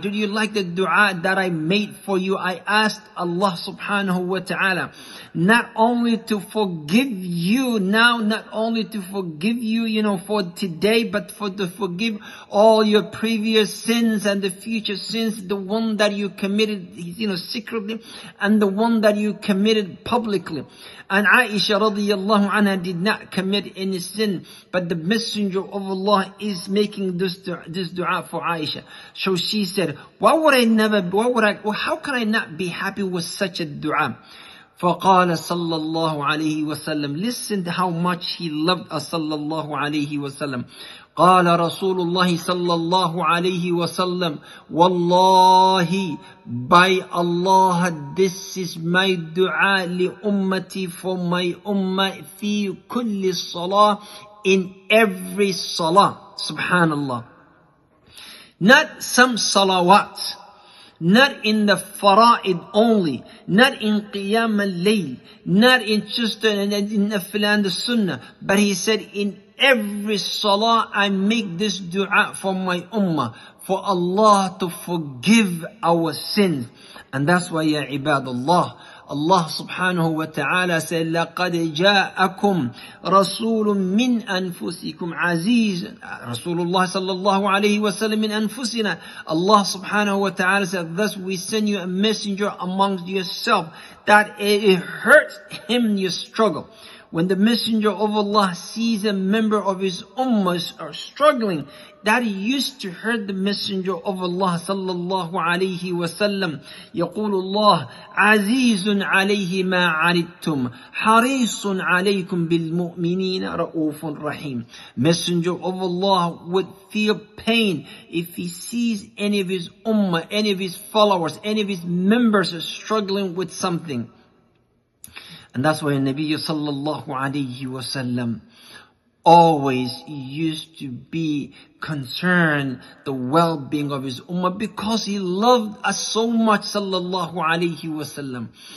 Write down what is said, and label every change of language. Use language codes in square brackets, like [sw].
[en] Did you like the dua that I made for you? I asked Allah subhanahu wa ta'ala not only to forgive you now, not only to forgive you, you know, for today, but to forgive all your previous sins and the future sins, the one that you committed, you know, secretly, and the one that you committed publicly. And Aisha radiyallahu anha did not commit any sin, but the messenger of Allah is making this dua for Aisha. So she said, how can I not be happy with such a dua? [ar] فَقَالَ صَلَّى اللَّهُ عَلَيْهِ وَسَلَّمْ [en] Listen to how much he loved us, [ar] صَلَّى اللَّهُ عَلَيْهِ وَسَلَّمْ قَالَ رَسُولُ اللَّهِ صَلَّى اللَّهُ عَلَيْهِ وَسَلَّمْ وَاللَّهِ [en] By Allah, this is my dua [ar] لِأُمَّتِي [en] for my ummah [ar] في كل الصلاة [en] in every salah. Subhanallah. Not some salawat. Not in the fara'id only, not in qiyam al-layl, not in just in nafil and the sunnah, but he said, in every salah I make this dua for my ummah, for Allah to forgive our sins. And that's why, ya ibadullah, Allah subhanahu wa ta'ala said, [ar] لَقَدْ جَاءَكُمْ رَسُولٌ مِّنْ أَنفُسِكُمْ عَزِيزٌ [en] Rasulullah sallallahu alayhi wa sallam min anfusina. Allah subhanahu wa ta'ala said, thus we send you a messenger amongst yourself that it hurts him your struggle. When the messenger of Allah sees a member of his ummah are struggling, that used to hurt the messenger of Allah sallallahu alayhi wa sallam. [ar] يقول الله عزيز عليه ما عرضتم حريص عليكم بالمؤمنين رؤوف رحيم. [en] Messenger of Allah would feel pain if he sees any of his ummah, any of his followers, any of his members are struggling with something. And that's why the Nabi sallallahu alayhi wa sallam always used to be concerned the well-being of his ummah because he loved us so much sallallahu alayhi wa sallam.